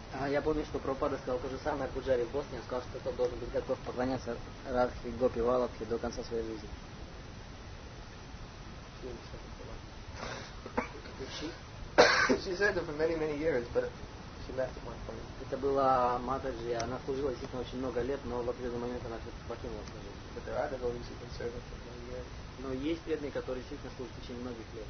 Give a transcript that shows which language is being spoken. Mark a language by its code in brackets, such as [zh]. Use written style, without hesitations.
[ru] Я помню, что Прабхупада сказал то же самое Пуджаре в Боснии. Он сказал, что тот должен быть готов поклоняться Радхе, Гопи, Валабхе до конца своей жизни. [en] She said it for many, many years, but she left at one point. [ru] Это была Матаджи, она служила действительно очень много лет, но в определенный момент она все-таки покинула служение. [en] But there are devotees who can serve for many years. [ru] Но есть преданные, которые действительно служат в течение многих лет.